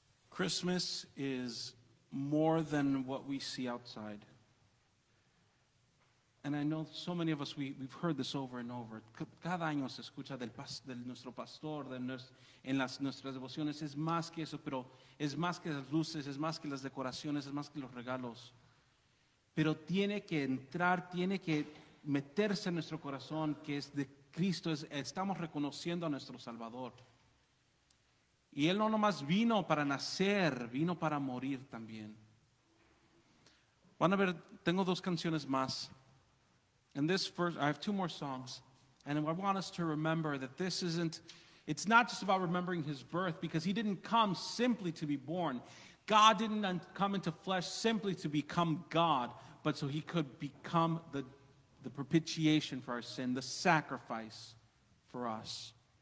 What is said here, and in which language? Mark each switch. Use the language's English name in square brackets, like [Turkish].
[English] Christmas is more than what we see outside. And I know so many of us, we've heard this over and over. [Spanish] Cada año se escucha del nuestro pastor, en las nuestras devociones. Es más que eso, pero es más que las luces, es más que las decoraciones, es más que los regalos. Pero tiene que entrar, tiene que meterse en nuestro corazón, que es de Cristo. Estamos reconociendo a nuestro Salvador. Y Él no nomás vino para nacer, vino para morir también. Van a ver, tengo dos canciones más. [English] And this first, I have two more songs. And I want us to remember that this isn't, it's not just about remembering His birth, because He didn't come simply to be born. God didn't come into flesh simply to become God, but so He could become the propitiation for our sin, the sacrifice for us.